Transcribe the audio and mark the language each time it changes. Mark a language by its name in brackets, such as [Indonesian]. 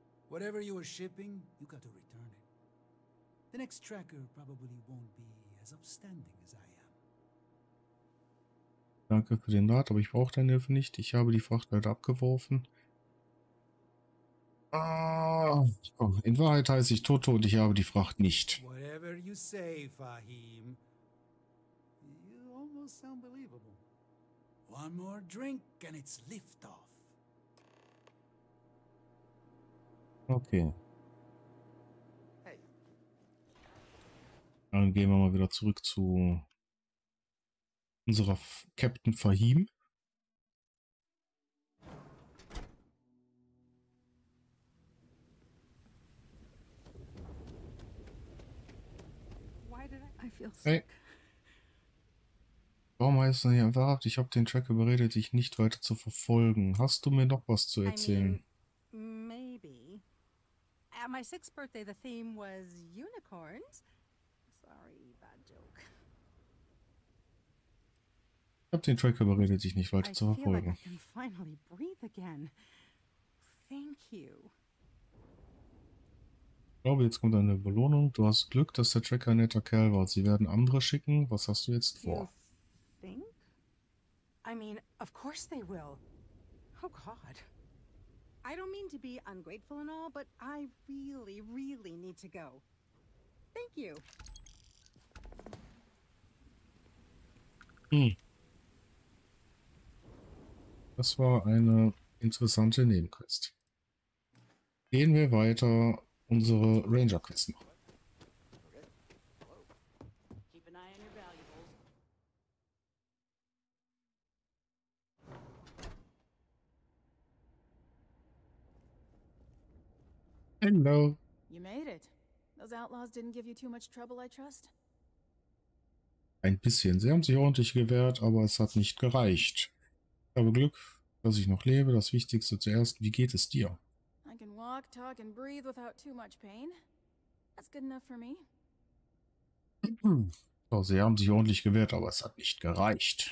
[English] Whatever you were shipping, you got to return it. The next tracker probably won't be as upstanding as I. [German] Danke für den Rat, aber ich brauche deine Hilfe nicht. Ich habe die Fracht leider abgeworfen. In Wahrheit heiße ich Toto und ich habe die Fracht nicht. [English] Whatever you say, Fahim. You almost sound believable. One more drink and it's lift off. Okay. Hey. [German] Dann gehen wir mal wieder zurück zu unserer Captain Fahim. Hey. Warum heißt es nicht wahrhaft? Ich habe den Track überredet, dich nicht weiter zu verfolgen. Hast du mir noch was zu erzählen? [English] Maybe. At my sixth birthday, the theme was unicorns. Sorry, bad joke. [German] Ich habe den Track überredet, dich nicht weiter zu verfolgen. [English] I feel like I can finally breathe again. Thank you. [German] Ich glaube, jetzt kommt eine Belohnung. Du hast Glück, dass der Tracker ein netter Kerl war. Sie werden andere schicken. Was hast du jetzt vor? [English] Think? I mean, of course they will. Oh God. I don't mean to be ungrateful and all, but I really, really need to go. Thank you. [German] Das war eine interessante Nebenquest. Gehen wir weiter. Unsere Ranger Quest machen. [English] Hello. You made it. Those outlaws didn't give you too much trouble, I trust. [German] Ein bisschen. Sie haben sich ordentlich gewehrt, aber es hat nicht gereicht. Ich habe Glück, dass ich noch lebe. Das Wichtigste zuerst, wie geht es dir? [English] I can walk, talk, and breathe without too much pain. That's good enough for me. [German] Oh, sie haben sich ordentlich gewehrt, aber es hat nicht gereicht.